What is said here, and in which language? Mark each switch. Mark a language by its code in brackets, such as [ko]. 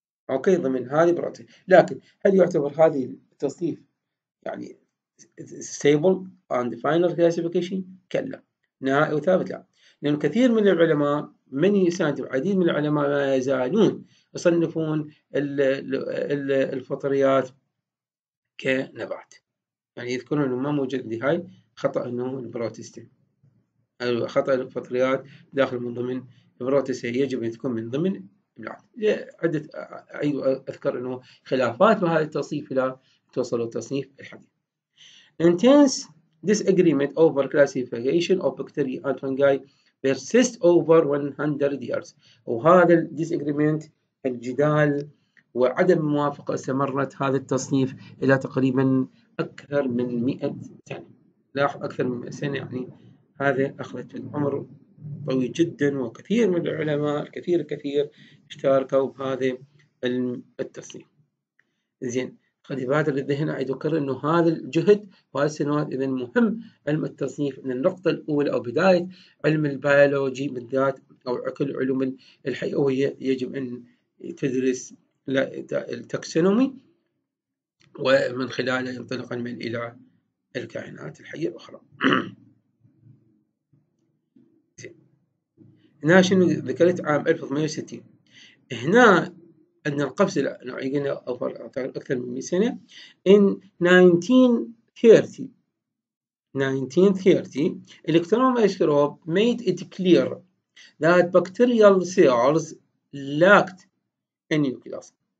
[ar] اوكي ضمن هذه بروتين، لكن هل يعتبر هذه التصنيف يعني [en] Stable and final classification? [ar] كلا، نهائي وثابت لا، لان كثير من العلماء من يساند، العديد من العلماء ما يزالون يصنفون الفطريات كنبات، يعني يذكرون انه ما موجود هاي خطا، انه البروتستين خطا، الفطريات داخل من ضمن البروتستين يجب ان تكون من ضمن عدة. أذكر أنه خلافات بهذا التصنيف لا توصلوا التصنيف الحديث. [en] Intense disagreement over classification of bacteria and fungi persist over 100 years. [ar] وهذا disagreement، الجدال وعدم موافقة، استمرت هذا التصنيف إلى تقريبا أكثر من 100 سنة. لاحظ أكثر من 100 سنة، يعني هذا أخذت العمر طويل جدا، وكثير من العلماء الكثير الكثير اشتركوا بهذا التصنيف. زين قد يبادر الذهن عيد وكرر انه هذا الجهد وهذه السنوات، اذا مهم علم التصنيف من النقطة الاولى او بداية علم البيولوجي بالذات او كل علوم الحيوية، يجب ان تدرس لا التاكسونومي، ومن خلاله ينطلقا من إلى الكائنات الحية الأخرى. هنا شنو ذكرت عام 1860، هنا أن القفز النوعي قلنا أفضل أكثر من 100 سنة. [en] In 1930 electron microscope made it clear that bacterial cells lacked a nucleus.